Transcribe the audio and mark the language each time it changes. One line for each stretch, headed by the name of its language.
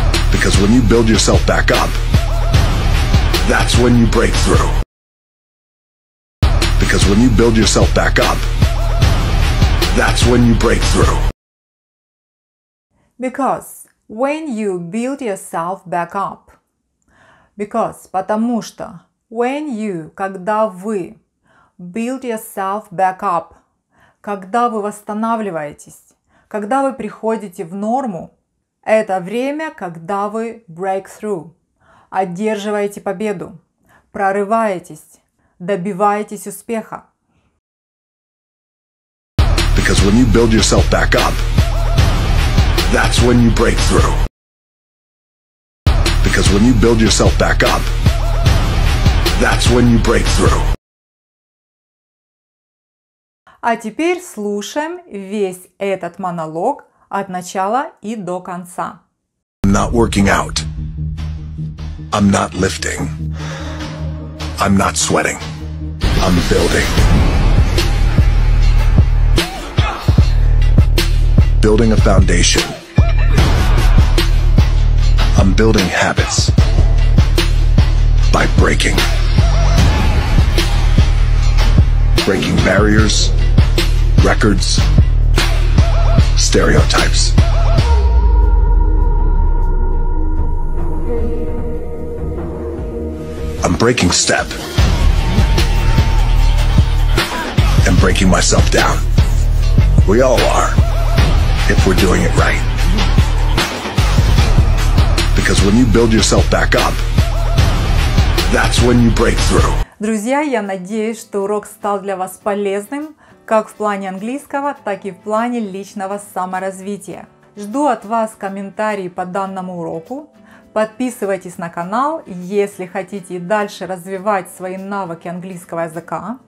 English: Because when you build yourself back up, that's when you break through. Because when you build yourself back up, that's when you break through. Because when you build yourself back up. Because,
Russian: потому что,
English: when you,
Russian: когда вы,
English: build yourself back up,
Russian: когда вы восстанавливаетесь, когда вы приходите в норму, это время, когда вы
English: break through,
Russian: одерживаете победу, прорываетесь, добиваетесь успеха.
English: Because when you build yourself back up, that's when you break through. Because when you build yourself back up, that's when you break through.
Russian: А теперь слушаем весь этот монолог от начала и до конца.
English: I'm not working out. I'm not lifting. I'm not sweating. I'm building. Building a foundation. I'm building habits by breaking. Breaking barriers, records, stereotypes. I'm breaking step. And breaking myself down. We all are, if we're doing it right. Because when you build yourself back up, that's when you break through.
Russian: Друзья, я надеюсь, что урок стал для вас полезным. как в плане английского, так и в плане личного саморазвития. Жду от вас комментарии по данному уроку. Подписывайтесь на канал, если хотите и дальше развивать свои навыки английского языка.